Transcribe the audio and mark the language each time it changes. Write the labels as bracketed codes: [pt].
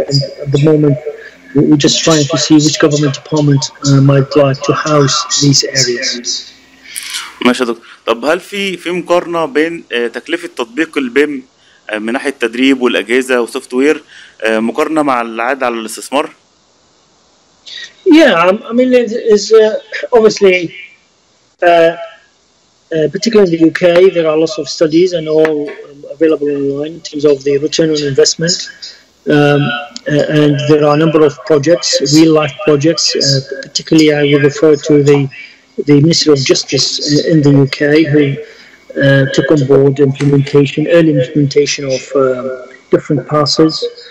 [en] And at the moment, we're just trying to see which government department might like to house these areas. [ar] ماشي دكتور. طب هل في مقارنه بين تكلفه تطبيق البيم من ناحيه التدريب والاجهزه والسوفت وير مقارنه مع العائد على الاستثمار؟ [en] Yeah, I mean it's obviously particularly in the UK there are lots of studies and all available online in terms of the return on investment and there are a number of projects, real life projects, particularly I will refer to the Minister of Justice in the UK, who took on board implementation, early implementation of different passes.